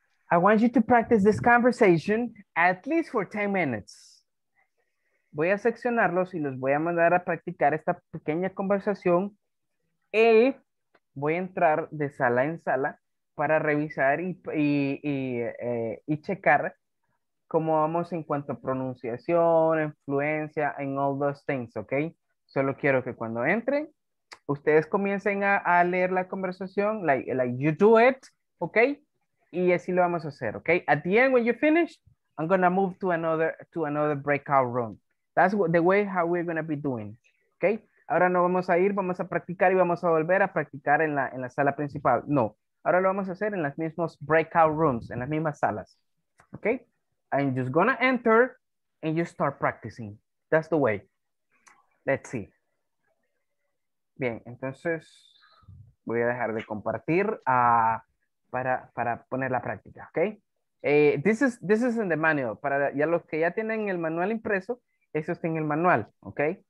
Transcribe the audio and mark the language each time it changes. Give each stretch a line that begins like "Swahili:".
English: I want you to practice this conversation at least for 10 minutes.
Spanish: Voy a seccionarlos y los voy a mandar a practicar esta pequeña conversación. Y voy a entrar de sala en sala para revisar y checar cómo vamos en cuanto a pronunciación, fluencia, en
English: all those things,
Spanish: ¿ok? Solo quiero que cuando entren, ustedes comiencen a leer la conversación,
English: like you do it,
Spanish: ¿ok? Y así lo vamos a hacer, ¿ok?
English: At the end, when you finish, I'm gonna move to another breakout room. That's the way how we're gonna be doing, ¿ok?
Spanish: Ahora no vamos a ir, vamos a practicar y vamos a volver a practicar en la sala principal. No, ahora lo vamos a hacer en las mismas breakout rooms, en las mismas salas, ¿ok?
English: I'm just gonna enter and you start practicing. That's the way. Let's see.
Spanish: Bien, entonces voy a dejar de compartir para poner la práctica, ¿ok?
English: This is in the manual.
Spanish: Para ya los que ya tienen el manual impreso, eso está en el manual, ¿ok?